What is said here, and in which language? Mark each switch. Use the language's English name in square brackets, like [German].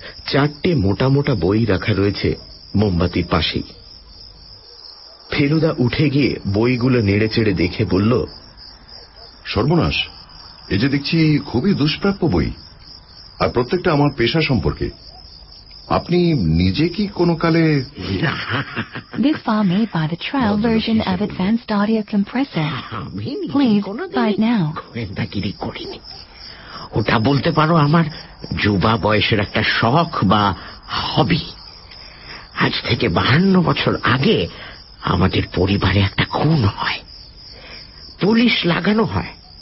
[Bangla] চারটে মোটা মোটা বই রাখা রয়েছে মোমবাতির পাশেই। ফেলুদা উঠে গিয়ে বইগুলো নেড়ে চেড়ে দেখে বলল, সর্বনাশ, এ যে দেখছি খুবই দুষ্প্রাপ্য বই, আর প্রত্যেকটা আমার পেশা সম্পর্কে। আপনি নিজে কি কোনো কালে? [English] This file made by the trial version of Advanced Audio Compressor. [Bangla] গোয়েন্দাগিরি করিনি, ওটা বলতে পারো আমার যুবা বয়সের একটা শখ বা হবি। আজ থেকে 52 বছর আগে আমাদের পরিবারে একটা খুন হয়, পুলিশ লাগানো হয়।